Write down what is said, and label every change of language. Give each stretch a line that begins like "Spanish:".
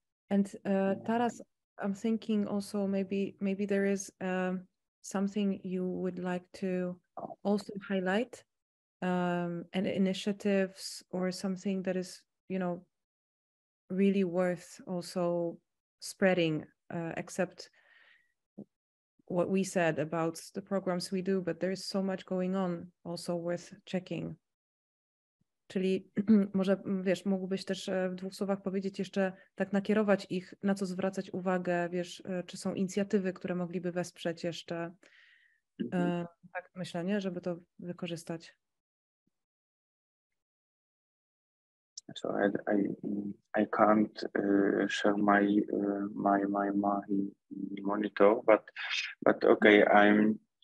English: And Taras, I'm thinking also maybe there is something you would like to also highlight, an initiatives or something that is, you know, really worth also spreading, except what we said about the programs we do, but there is so much going on also worth checking.
Polish: Czyli może, wiesz, mógłbyś też w dwóch słowach powiedzieć jeszcze, tak nakierować ich, na co zwracać uwagę, wiesz, czy są inicjatywy, które mogliby wesprzeć jeszcze, mm-hmm. tak myślę, nie, żeby to wykorzystać.
English: So I can't share my monitor, but okay, I'm...